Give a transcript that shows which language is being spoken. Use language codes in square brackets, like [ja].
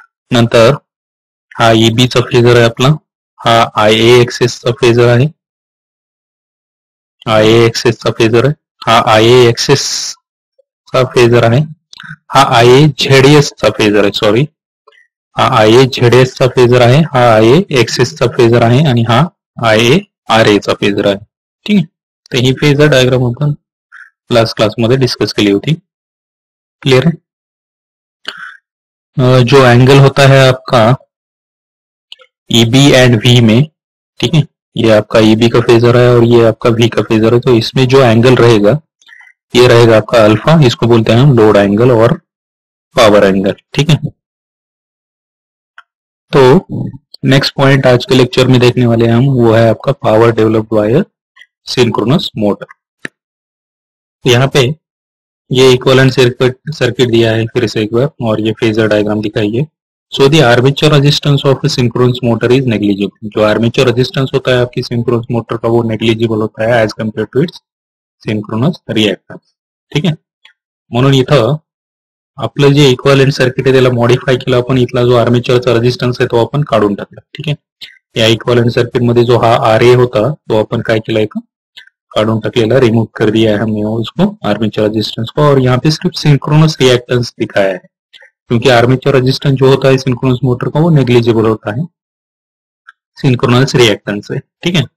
[mr] नंतर हा ईबीचा फेजर आहे आपला, हा आय ए एक्सेसचा फेजर आहे, आय ए एक्सेसचा फेजर आहे, हा आय ए एक्सेस चा फेजर आहे, हा आय ए झेडीएस चा फेजर आहे, सॉरी, हा आय ए झेडीएस चा फेजर आहे, हा आय ए एक्सेस चा फेजर आहे, आणि हा आय ए आर ए चा फेजर आहे, ठीक आहे? तर ही फेजर डायग्राम आपण लास्ट क्लास मध्ये डिस्कस केली होती, क्लिअर आहे? [hi] जो अँगल होता है आपका ईबी एंड व्ही में, ठीक आहे, ये आपका ई बी का फेजर है और ये आपका वी का फेजर है, तो इसमें जो एंगल रहेगा ये रहेगा आपका अल्फा, इसको बोलते हैं हम लोड एंगल और पावर एंगल, ठीक है? तो नेक्स्ट पॉइंट आज के लेक्चर में देखने वाले हैं हम, वो है आपका power developed by synchronous motor. यहाँ पे ये इक्वलेंट सर्किट दिया है फिर से एक बार, और ये फेजर डायग्राम दिखाइए. [en] So the armature resistance of synchronous motor is negligible. [hi] जो आर्मेचर रेजिस्टेंस होता है आपकी सिंक्रोनस मोटर का, वो नेग्लिजिबल होता है [en] as compare to its synchronous reactance, [hi] ठीक है? [mr] म्हणून इथं आपलं जे इक्वालंट सर्किट आहे त्याला मॉडिफाय केलं आपण, इथला जो आर्मेचरचा रेजिस्टन्स आहे तो आपण काढून टाकला, ठीक आहे? या इक्वालंट सर्किट मध्ये जो हा आर ए होता तो आपण काय केलाय, काढून टाकलेला, [hi] रिमूव्ह कर दिया है हमने उसको आर्मेचर रेजिस्टेंस को, और यहाँ पे सिर्फ सिंक्रोनस रिएक्टन्स दिखाया है, क्योंकि आर्मेचर रेजिस्टेंस जो होता है सिंक्रोनस मोटर का वो नेग्लिजिबल होता है सिंक्रोनस रिएक्टेंस से, ठीक है?